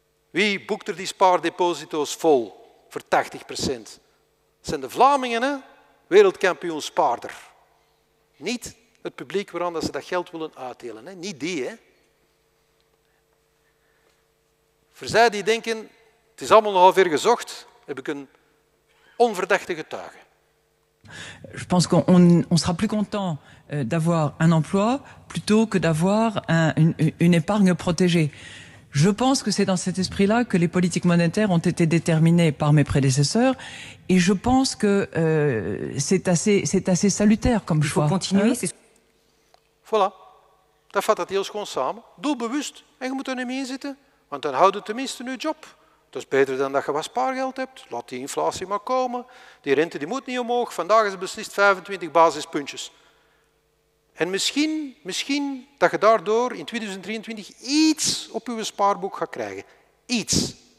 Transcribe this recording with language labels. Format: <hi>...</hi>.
<nl>Wie boekt er die spaardeposito's vol voor 80%? Dat zijn de Vlamingen, hè, wereldkampioen spaarder. Niet het publiek waaraan ze dat geld willen uitdelen. Hè. Niet die. Hè. Voor zij die denken, het is allemaal nogal ver gezocht, heb ik een onverdachte getuige.</nl> <fr>Je pense qu'on sera plus content d'avoir un emploi plutôt que d'avoir une épargne protégée. Je pense que c'est dans cet esprit-là que les politiques monétaires ont été déterminées par mes prédécesseurs et je pense que c'est assez salutaire comme choix. Il faut continuer. Hein?</fr> <nl>Voilà. Dat vat dat heel schoon samen. Doelbewust. En je moet er niet mee zitten, want dan houdt het tenminste je job. Dat is beter dan dat je wat spaargeld hebt. Laat die inflatie maar komen. Die rente die moet niet omhoog. Vandaag is het beslist 25 basispuntjes. En misschien dat je daardoor in 2023 iets op je spaarboek gaat krijgen. Iets.</nl>